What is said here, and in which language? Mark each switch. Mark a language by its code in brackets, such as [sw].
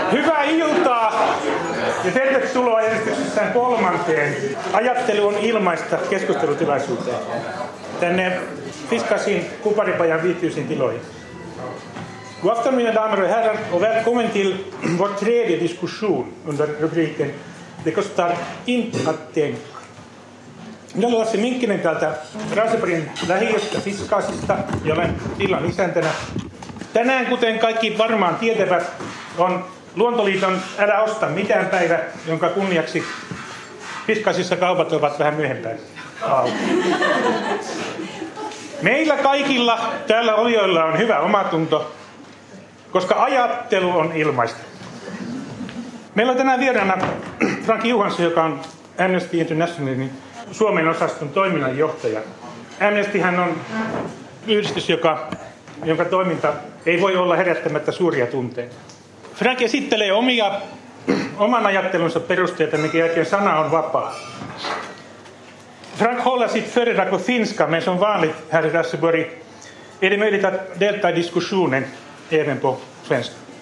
[fi] Hyvää iltaa ja tervetuloa järjestyksessään kolmanteen. Ajattelu on ilmaista keskustelutilaisuuteen tänne Fiskasin kuparipajan viihtyisiin tiloihin. [sv] God afton, mina damer och herrar, och välkommen till vår tredje diskussion under rubriken Det kostar inte att tänka. [fi] Minä olen Lasse Minkkinen täältä Raaseporin lähiöstä Fiskasista ja olen illan isäntänä. Tänään, kuten kaikki varmaan tietävät, on Luontoliiton Älä osta mitään päivä, jonka kunniaksi Fiskasissa kaupat ovat vähän myöhempään auki. Meillä kaikilla täällä olijoilla on hyvä omatunto, koska ajattelu on ilmaista. Meillä on tänään vieraana Frank Juhansson, joka on Amnesty Internationalin Suomen osaston toiminnanjohtaja. Amnestyhän on yhdistys, jonka toiminta ei voi olla herättämättä suuria tunteita. Frank esittelee oman ajattelunsa perusteita, minkä jälkeen sana on vapaa. [sv] Frank håller sitt föredrag på finska, men som vanligt här i Raseborg är det möjligt att delta i diskussionen även på svenska.